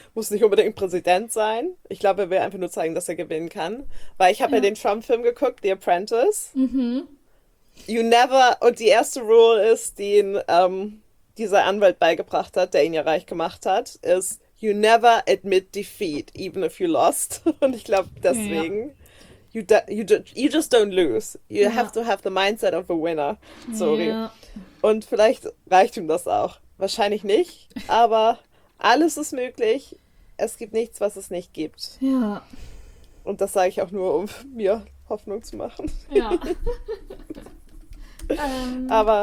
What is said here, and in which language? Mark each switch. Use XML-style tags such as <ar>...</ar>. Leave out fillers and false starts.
<de>muss nicht unbedingt Präsident sein. Ich glaube, er will einfach nur zeigen, dass er gewinnen kann. Weil ich habe ja den Trump-Film geguckt, The Apprentice.</de> <en>You never,</en> <de>und die erste Rule ist, die ihn dieser Anwalt beigebracht hat, der ihn ja reich gemacht hat, ist,</de> <en>you never admit defeat, even if you lost.</en> <de>Und ich glaube, Ja. deswegen,</de> <en>you just don't lose. You have</en> <de>Ja.</de> <en>to have the mindset of a winner. Sorry.</en> <de>Ja. Und vielleicht reicht ihm das auch. Wahrscheinlich nicht, aber alles ist möglich. Es gibt nichts, was es nicht gibt. Ja. Und das sage ich auch nur, um mir Hoffnung zu machen. Ja. Aber</de>